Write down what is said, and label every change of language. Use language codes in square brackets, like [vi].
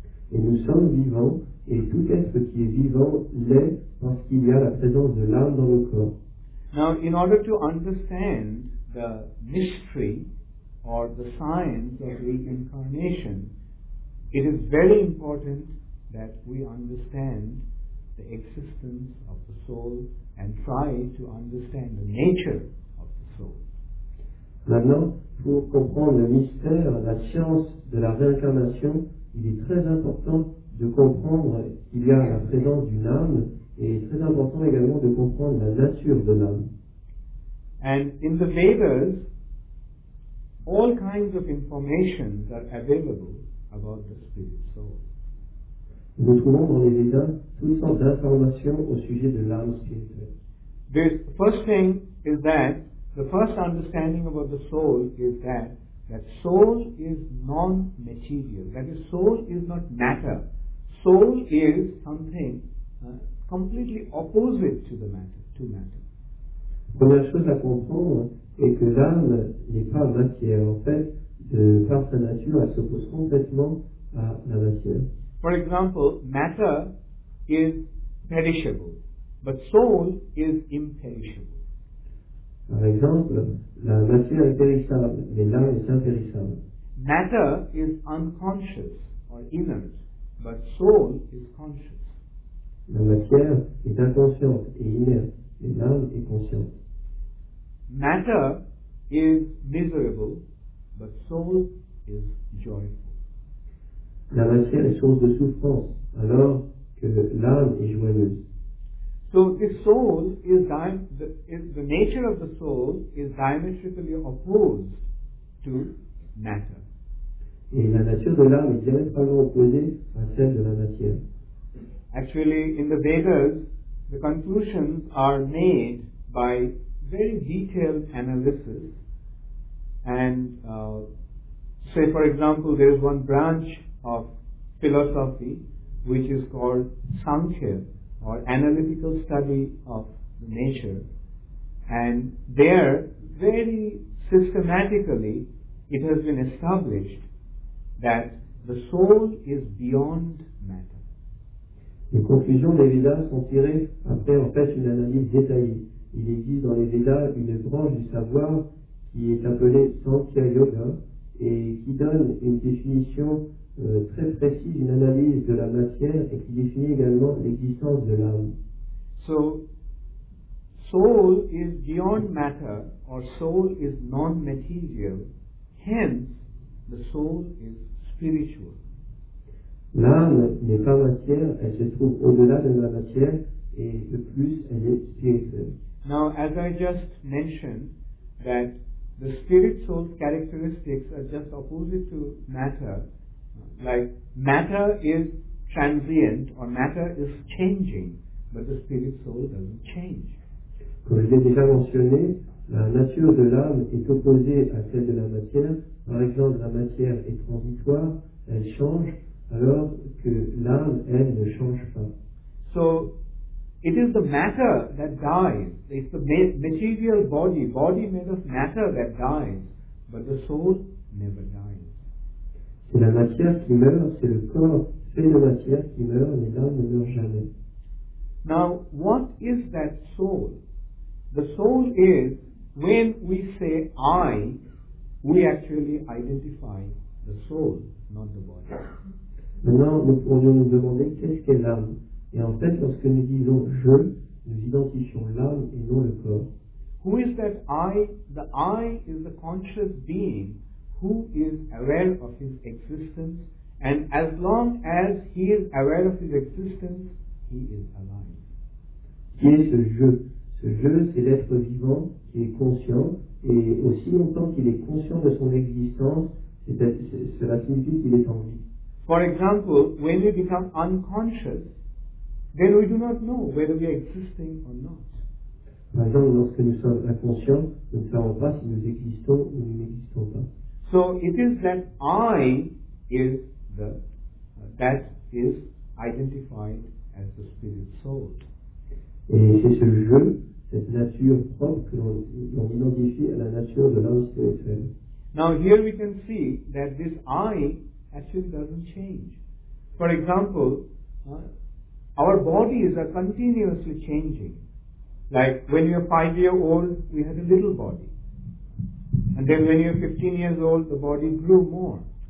[fr] Et nous sommes vivants, et tout être qui est vivant l'est parce qu'il y a la présence de l'âme dans le corps. [en] Now, in order to understand the mystery, or the science of reincarnation, it is very important that we understand the existence of the soul and try to understand the nature of the soul. [fr] Maintenant, pour comprendre le mystère, la science de la réincarnation, il est très important de comprendre qu'il y a la présence d'une âme et très important également de comprendre la nature de l'âme. [en] And in the Vedas, all kinds of information are available about the spirit soul. [fr] Nous trouvons dans les Vedas toutes sortes d'informations au sujet de l'âme spirituelle. [en] The first thing is that the first understanding about the soul is that that soul is non-material. That is, soul is not matter. Soul is something completely opposite to the matter, to matter. [fr] Première chose à comprendre est que l'âme n'est pas matière. En fait, de par sa nature, elle s'oppose complètement à la matière. [en] For example, matter is perishable, but soul is imperishable. [fr] Par exemple, la matière est périssable, mais l'âme est impérissable. [en] Matter is unconscious or inert, but soul is conscious. [fr] La matière est inconsciente et inerte, mais l'âme est consciente. [en] Matter is miserable, but soul is joyful. [fr] La matière est source de souffrance, alors que l'âme est joyeuse. [en] So the soul is the nature of the soul is diametrically opposed to matter. [fr] Et la nature de l'âme est diamétralement opposée à celle de la matière. [en] Actually, in the Vedas, the conclusions are made by very detailed analysis. And say, for example, there is one branch of philosophy which is called Sankhya or analytical study of the nature, and there very systematically it has been established that the soul is beyond matter. [fr] Les conclusions des Vedas sont tirées après en fait une analyse détaillée. Il existe dans les Vedas une branche du savoir qui est appelée Sankhya Yoga et qui donne une définition très précise, une analyse de la matière et qui définit également l'existence de l'âme. [en] So, soul is beyond matter or soul is non-material, hence the soul is spiritual. [fr] L'âme n'est pas matière, elle se trouve au-delà de la matière et de plus elle est spirituelle. [en] Now, as I just mentioned, that the spirit soul's characteristics are just opposite to matter. Like matter is transient or matter is changing, but the spirit soul doesn't change. [fr] Comme je l'ai déjà mentionné, la nature de l'âme est opposée à celle de la matière. Par exemple, la matière est transitoire, elle change, alors que l'âme, elle, ne change pas. [en] So, it is the matter that dies. It's the material body made of matter that dies, but the soul never dies. [fr] C'est la matière qui meurt, c'est le corps fait de matière qui meurt, mais l'âme ne meurt jamais. [en] Now, what is that soul? The soul is, when we say I, we actually identify the soul, not the body. [fr] Maintenant, nous pourrions nous demander qu'est-ce qu'est l'âme. Et en fait, lorsque nous disons je, nous identifions l'âme et non le corps. [en] Who is that I? The I is the conscious being who is aware of his existence, and as long as he is aware of his existence, he is alive. [fr] Qui est ce je? Ce je, c'est l'être vivant qui est conscient, et aussi longtemps qu'il est conscient de son existence, cela signifie qu'il est en vie. [en] For example, when we become unconscious, then we do not know whether we are existing or not. [fr] Par exemple, lorsque nous sommes inconscients, nous ne savons pas si nous existons ou nous n'existons pas. [en] So it is that I is the that is identified as the spirit soul. [fr] Et c'est ce je, cette nature propre que l'on identifie à la nature de l'âme spirituelle. [en] Now here we can see that this I actually doesn't change. For example, our bodies are continuously changing. Like when you're 5 years old, we had a little body. And then when you're 15 years old, the body grew more.